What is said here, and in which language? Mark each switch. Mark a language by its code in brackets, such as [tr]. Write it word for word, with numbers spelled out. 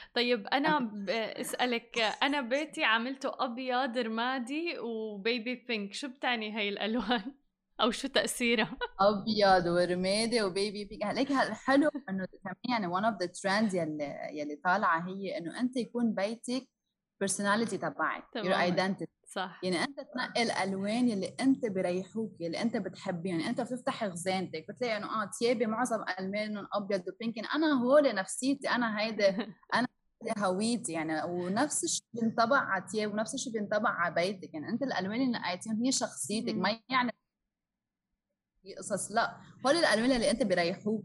[ar] طيب أنا بسألك، أنا بيتي عملته أبيض رمادي وبيبي بينك، شو بتعني هاي الألوان؟ او شو تاثيرها؟ ابيض ورمادي وبيبي بيك. هلك هالحلو انه كمان يعني [en] one of the trends [ar] يلي يلي طالعه هي انه انت يكون بيتك [en] personality [ar] تبعك [en] your identity. [ar] صح. يعني انت تنقي الالوان اللي انت بريحوك اللي انت بتحبيه. يعني انت بتفتح خزانتك بتلاقي انه اه تيابي معظم الوانهم ابيض وبينك، انا هول نفسيتي، انا هيدا انا هويتي يعني. ونفس الشيء بينطبق على تياب ونفس الشيء بينطبق على بيتك. يعني انت الالوان اللي نقيتيهم هي شخصيتك، ما يعني قصص، لا هول الالوان اللي انت بريحوك.